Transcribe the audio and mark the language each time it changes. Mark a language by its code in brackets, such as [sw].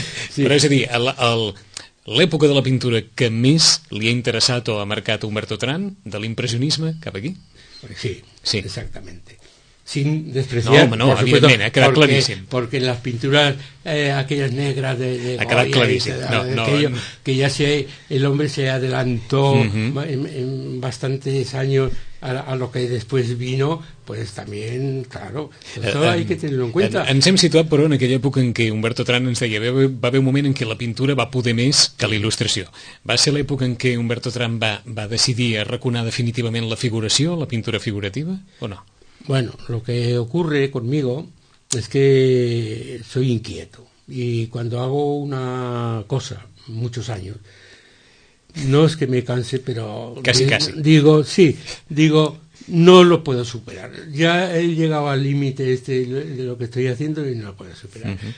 [ca] Sí. Però és a dir, l'època de la pintura que més li ha interessat o ha marcat Humberto Terán, de l'impressionisme, cap aquí? [es] Sí, exactamente. Sin despreciar, [ca] no, home, no, [es] por supuesto, [ca] ha quedat claríssim. [es] Porque las pinturas aquellas negras de [ca] ha quedat claríssim. [es] De, no, aquello, no. Que ya se, el hombre se adelantó en bastantes años a lo que después vino, pues también, claro, eso hay que tenerlo en cuenta. [ca] Ens hem situat, però, en aquella època en què Humberto Terán ens deia, va haver un moment en què la pintura va poder més que la il·lustració. Va ser l'època en què Humberto Terán va decidir arraconar definitivament la figuració, la pintura figurativa, o no? [es] Bueno, lo que ocurre conmigo es que soy inquieto y cuando hago una cosa muchos años, no es que me canse, pero... Casi. Digo, no lo puedo superar. Ya he llegado al límite este de lo que estoy haciendo y no lo puedo superar.